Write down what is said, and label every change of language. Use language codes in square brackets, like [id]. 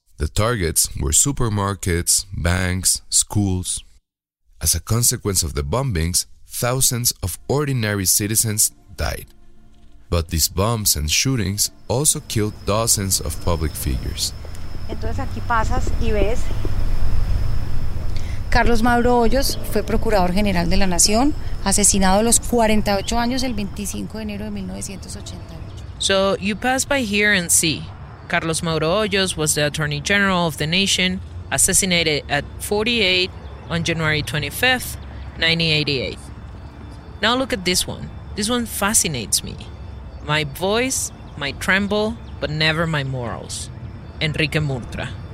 [en] The targets were supermarkets, banks, schools. As a consequence of the bombings, thousands of ordinary citizens died. But these bombs and shootings also killed dozens of public figures. [es] Entonces aquí pasas y ves. Carlos Mauro Hoyos fue procurador general de la Nación, asesinado a los 48 años el 25 de enero de 1988. [en] So you pass by here and see. Carlos Mauro Hoyos was the Attorney General of the Nation, assassinated at 48 on January 25th, 1988. Now look at this one. This one fascinates me. My voice, my tremble, but never my morals. Enrique Murtra.